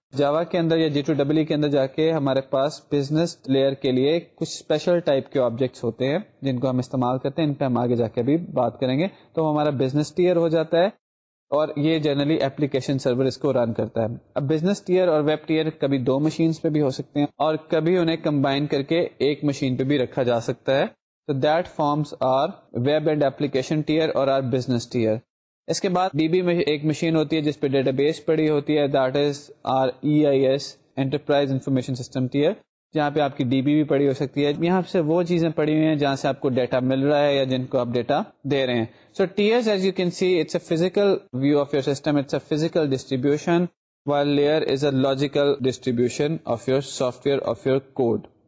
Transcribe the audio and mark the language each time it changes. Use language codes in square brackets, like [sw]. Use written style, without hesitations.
[ur] جاوا کے اندر یا جی to W کے اندر جا کے ہمارے پاس بزنس لیئر کے لیے کچھ اسپیشل ٹائپ کے آبجیکٹس ہوتے ہیں جن کو ہم استعمال کرتے ہیں, ان پہ ہم آگے جا کے بھی بات کریں گے. تو ہمارا بزنس ٹیئر ہو جاتا ہے اور یہ جنرلی اپلیکیشن سرور اس کو رن کرتا ہے. اب بزنس ٹیئر اور ویب ٹیئر کبھی دو مشینز پہ بھی ہو سکتے ہیں اور کبھی انہیں کمبائن کر کے ایک مشین پہ بھی رکھا جا سکتا ہے. [en] So that forms our web and application tier or our business tier. [ur] اس کے بعد DB میں ایک مشین ہوتی ہے جس پہ ڈیٹا بیس پڑی ہوتی ہے, [en] that is our EIS Enterprise Information System tier, [ur] جہاں پہ آپ کی DB بھی پڑی ہو سکتی ہے. یہاں سے وہ چیزیں پڑی ہوئی ہیں جہاں سے آپ کو ڈیٹا مل رہا ہے یا جن کو آپ ڈیٹا دے رہے ہیں. [en] So tiers as you can see it's a physical view of your system, it's a physical distribution, while layer is a logical distribution of your software of your code.